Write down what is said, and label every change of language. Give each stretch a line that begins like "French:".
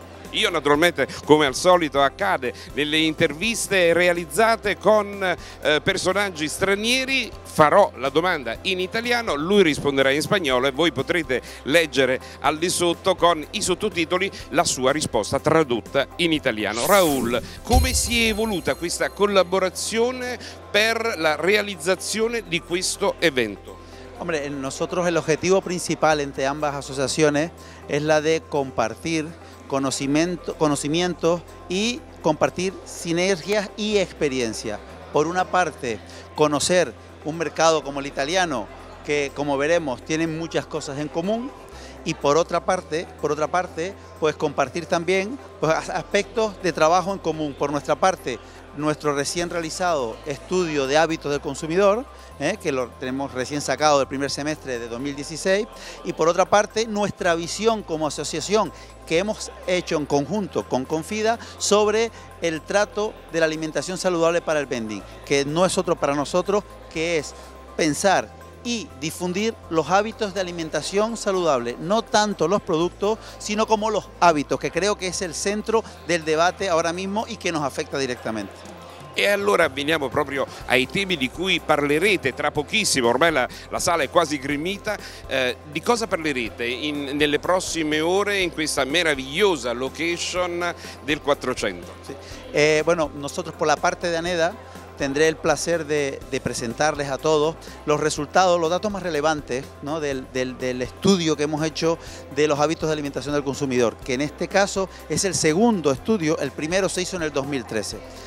Italian: Io naturalmente, come al solito accade nelle interviste realizzate con personaggi stranieri, farò la domanda in italiano, lui risponderà in spagnolo e voi potrete leggere al di sotto con i sottotitoli la sua risposta tradotta in italiano. Raul, come si è evoluta questa collaborazione per la realizzazione di questo evento?
Spanish: Hombre, nosotros el objetivo principal entre ambas asociaciones es la de compartir conocimientos y compartir sinergias y experiencia. Por una parte, conocer un mercado como el italiano, que como veremos tienen muchas cosas en común, y por otra parte, pues compartir también aspectos de trabajo en común. Por nuestra parte, nuestro recién realizado estudio de hábitos del consumidor, que lo tenemos recién sacado del primer semestre de 2016, y por otra parte nuestra visión como asociación que hemos hecho en conjunto con Confida sobre el trato de la alimentación saludable para el vending, que no es otro para nosotros que es pensar y difundir los hábitos de alimentación saludable, no tanto los productos, sino como los hábitos, que creo que es el centro del debate ahora mismo y que nos afecta directamente.
Italian: E allora veniamo proprio ai temi di cui parlerete tra pochissimo, ormai la sala è quasi grimita. Di cosa parlerete nelle prossime ore in questa meravigliosa location del 400? Sì.
Spanish: Nosotros por la parte de Aneda tendré el placer de presentarles a todos los resultados, los datos más relevantes, ¿no?, del estudio que hemos hecho de los hábitos de alimentación del consumidor, que en este caso es el segundo estudio, el primero se hizo en el 2013.